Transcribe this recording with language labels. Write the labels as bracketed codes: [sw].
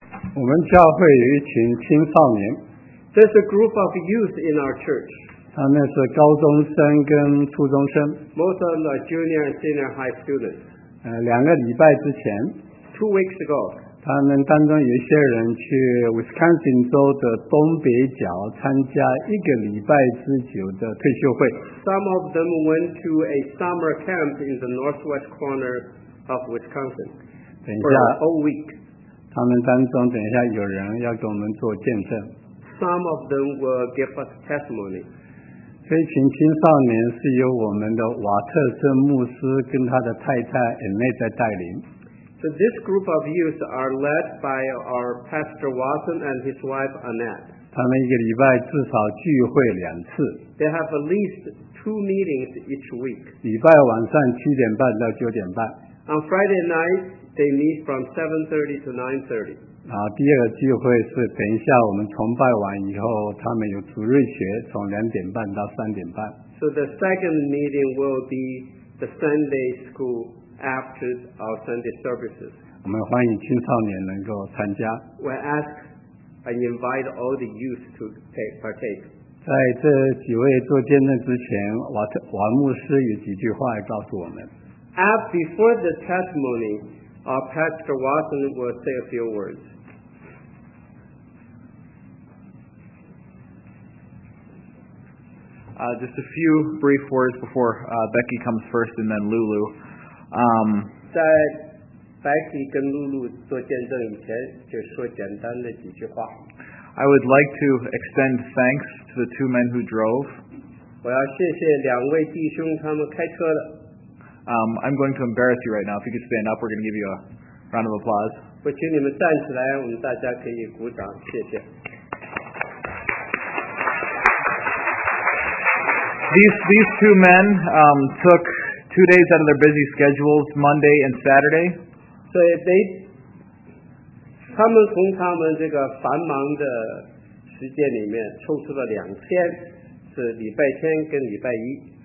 [zh] 我们教会有一群青少年。 [en] There's a group of youth in our church. [zh] 他们是高中生跟初中生。 [en] Most of them are junior and senior high students. [zh] 两个礼拜之前。 [en] Two weeks ago. [zh] 他们当中有一些人去 Wisconsin 州的东北角参加一个礼拜之久的退休会。 [en] Some of them went to a summer camp in the northwest corner of Wisconsin. [zh] 等一下。 [en] For a whole week. [zh] 他们当中等一下有人要给我们做见证。 [en] Some of them will give us testimony. [zh] 这群青少年是由我们的瓦特森牧师跟他的太太 Annette 在带领。 [en] So this group of youth are led by our Pastor Watson and his wife Annette. [zh] 他们一个礼拜至少聚会两次。 [en] They have at least two meetings each week. [zh] 礼拜晚上七点半到九点半。 [en] On Friday night,They meet from 7:30 to 9:30. [zh] 第二个聚会是等一下我们崇拜完以后，他们有主日学，从两点半到三点半。 [en] So the second meeting will be the Sunday school after our Sunday services. [zh] 我们欢迎青少年能够参加。 [en] We ask and invite all the youth to partake. [zh] 在这几位做见证之前，瓦牧师有几句话告诉我们。 [en] Before the testimony. Our Pastor Watson will say a few words. Just a few brief words before Becky comes first and then Lulu. [zh] 在 Becky 跟 Lulu 做见证以前就说简单的几句话。 [en] I would like to extend thanks to the two men who drove. [zh] 我要谢谢两位弟兄他们开车的。 [en] I'm going to embarrass you right now. If you could stand up, we're going to give you a round of applause. [zh] 我请你们站起来，我们大家可以鼓掌，谢谢。 [en] These two men took 2 days out of their busy schedules, Monday and Saturday. So they [zh] 他们从他们这个繁忙的时间里面抽出了两天，是礼拜天跟礼拜一。